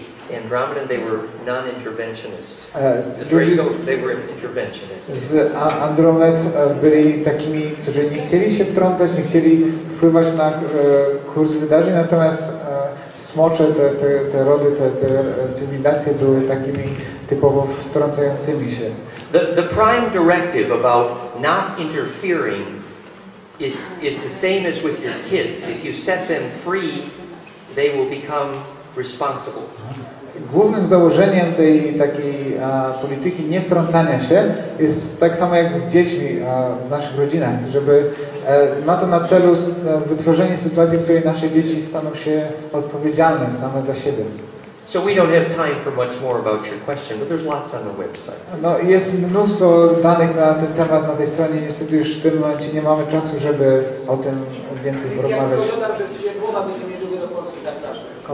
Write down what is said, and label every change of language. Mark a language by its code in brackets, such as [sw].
[en] Andromedan, they were non-interventionists. The Draco, they were interventionists. [pl] Z Andromed byli takimi, którzy nie chcieli się wtrącać, nie chcieli wpływać na kurs wydarzeń, natomiast smocze, te rody, te cywilizacje były takimi typowo wtrącającymi się. [en] The prime directive about not interfering is the same as with your kids. If you set them free, they will become responsible. [pl] Głównym założeniem tej takiej polityki niewtrącania się jest tak samo jak z dziećmi w naszych rodzinach, żeby ma to na celu wytworzenie sytuacji, w której nasze dzieci staną się odpowiedzialne same za siebie. [en] So we don't have time for much more about your question, but there's lots on the website. [pl] No, jest mnóstwo danych na ten temat na tej stronie, niestety już w tym momencie nie mamy czasu, żeby o tym więcej porozmawiać. Ja dodam, że Świerdłowa będzie mnie długo do Polski zapraszał.